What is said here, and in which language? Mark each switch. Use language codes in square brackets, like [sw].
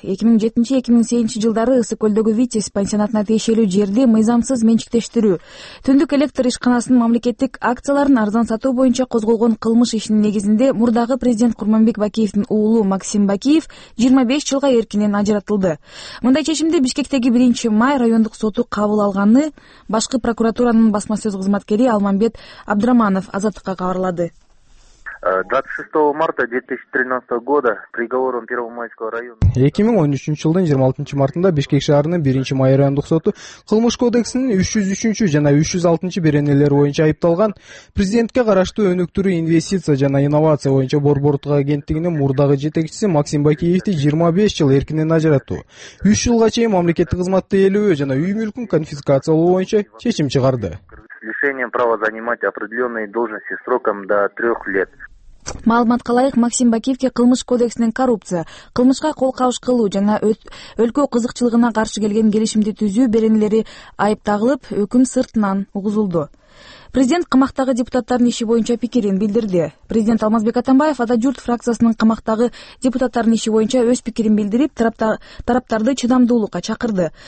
[ky] 2007-2008 жылдары Ысык Көлдөгү Витязь пансионатына тиешелүү жерди мыйзамсыз менчиктештирүү, түндүк электр ишканасынын мамлекеттик акцияларын арзан сатуу боюнча козголгон кылмыш ишинин негизинде мурдагы президент Курманбек Бакиевдин уулу Максим Бакиев 25 жылга эркинен ажыратылды. Мындай чечимди Бишкектеги 1 май райондук соту кабыл алганы башкы прокуратуранын басма сөз кызматкери Алмамбет Абдраманов Азаттыкка кабарлады. [ru] 26 марта 2013 года приговором Первомайского района. [ky] 2013 жылдын 26 мартында Бишкек шаарынын 1 май райондук соту кылмыш кодексинин 303 жана 606 беренелери боюнча айыпталган президентке караштуу өнүктүрүү инвестиция жана инновация боюнча борбордук агенттигинин мурдагы жетекчиси Максим Бакиевди 25 жыл эркинен ажыратуу, 3 жылга чейин мамлекеттик кызматты ээлөө жана үй мүлкүн конфискациялоо боюнча чечим чыгарды. [ru] Лишением права занимать определенные должности сроком до 3 лет. [ky] Маалыматка ылайык, Максим Бакиевке кылмыш кодексинен коррупция, кылмышка кол кабыш кылуу жана өлкө кызыкчылыгына каршы келген келишимди түзүү беренелери айып тагылып, өкүм сыртынан угузулду. Президент камактагы депутаттардын иши боюнча пикирин билдирди. Президент Алмазбек Атамбаев Атажурт фракциясынын камактагы депутаттардын иши боюнча өз пикирин билдирип, тараптарды чыдамдуулукка чакырды.